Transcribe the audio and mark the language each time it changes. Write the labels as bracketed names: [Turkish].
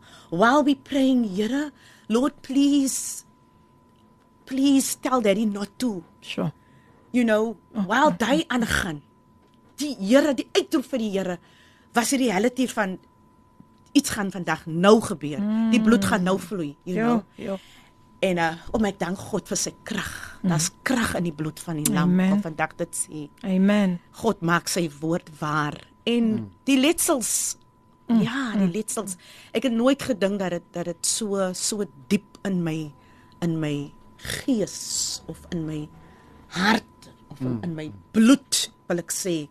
[English] While we praying, Here, Lord, please tell daddy not to. Sure. [Afrikaans] You know, while die aangaan, die Here, die uitroep vir die Here, was die reality van, iets gaan vandag nou gebeur. Mm. Die bloed gaan nou vloei, you know. En ek dank God vir sy krag. Daar's krag in die bloed van die lam. Amen. Om vandag dit sê. Amen. God maak sy woord waar. En die letsels. Mm. Ja, die letsels. Ek het nooit gedink dat het so diep in my gees of in my hart of in my bloed, wil ek sê.